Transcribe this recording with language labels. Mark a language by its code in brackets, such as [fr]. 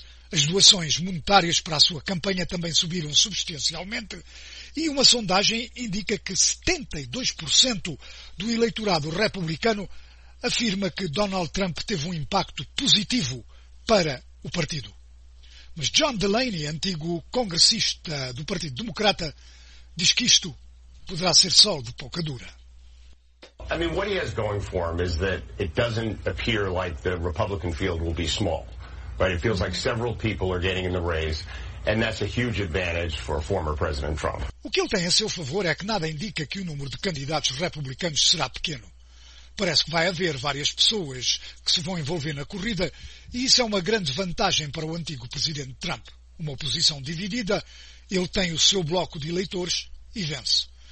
[pt] As doações monetárias para a sua campanha também subiram substancialmente e uma sondagem indica que 72% do eleitorado republicano afirma que Donald Trump teve um impacto positivo para o partido. Mas John Delaney, antigo congressista do Partido Democrata, diz que isto poderá ser só de pouca dura. [en] I mean, what he has going for him is that it doesn't appear like the Republican field will be small, right? It feels like several people are getting in the race, and that's a huge advantage for former President Trump. [pt] O que ele tem a seu favor é que nada indica que o número de candidatos republicanos será pequeno. Parece que vai haver várias pessoas que se vão envolver na corrida, e isso é uma grande vantagem para o antigo presidente Trump. Uma oposição dividida, ele tem o seu bloco de eleitores e vence.